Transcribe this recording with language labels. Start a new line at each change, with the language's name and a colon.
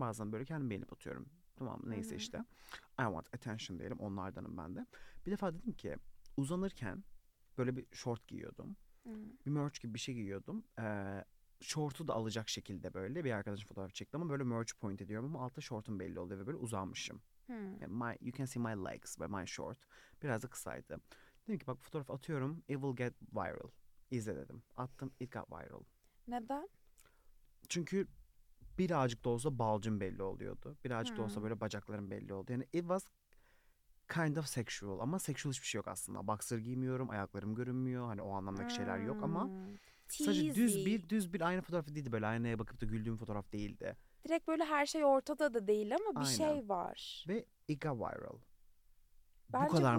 Turkish: Bazen böyle kendimi beğenip atıyorum. Tamam neyse işte.
English: I want attention
Turkish: diyelim. Onlardanım ben de. Bir defa dedim ki uzanırken böyle bir short giyiyordum. Bir merch gibi bir şey giyiyordum. Short'u da alacak şekilde böyle bir arkadaşım fotoğraf çekti ama böyle merch point ediyorum ama altta short'um belli oluyor ve böyle uzanmışım. Yani
English: you can see my legs by my short.
Turkish: Biraz da kısaydı. Dedim ki bak fotoğraf atıyorum.
English: It will get viral.
Turkish: İzle dedim. Attım.
English: It got viral.
Turkish: Neden? Çünkü birazcık da olsa balcım belli oluyordu. Birazcık da olsa böyle bacaklarım belli oldu. Yani
English: it was kind of sexual.
Turkish: Ama sexual hiçbir şey yok aslında. Boxer giymiyorum. Ayaklarım görünmüyor. Hani o anlamdaki şeyler yok ama. Sadece düz bir aynı fotoğraf değildi. Böyle aynaya bakıp da güldüğüm fotoğraf değildi. Direkt böyle her şey ortada da değil ama bir aynen. şey var. Ve
English: it got viral.
Turkish: Bence bu kadar